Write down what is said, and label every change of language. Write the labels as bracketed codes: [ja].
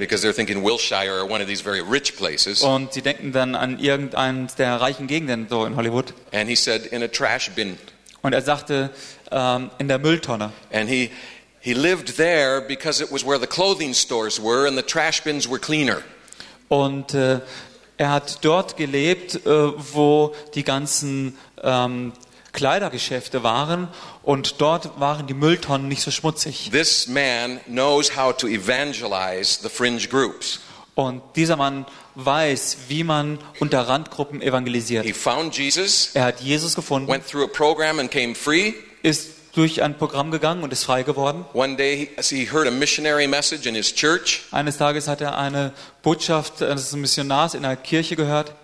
[en] Because they're thinking Wilshire or one of these very rich places. [de] Und sie denken dann an irgendeinen der reichen Gegenden so in Hollywood. [en] And he said in a trash bin. [de] Und er sagte in der Mülltonne. [en] And he lived there because it was where the clothing stores were and the trash bins were cleaner. [de] Und er hat dort gelebt, wo die ganzen Kleidergeschäfte waren und dort waren die Mülltonnen nicht so schmutzig. [en] This man knows how to evangelize the fringe groups. [de] Und dieser Mann weiß, wie man unter Randgruppen evangelisiert. [en] He found Jesus, [de] er hat Jesus gefunden, [en] went through a program and came free. [de] Ist durch ein Programm gegangen und ist frei geworden. [en] One day he heard a missionary message in his church. [de] Eines Tages hat er eine Botschaft eines Missionars in einer Kirche gehört.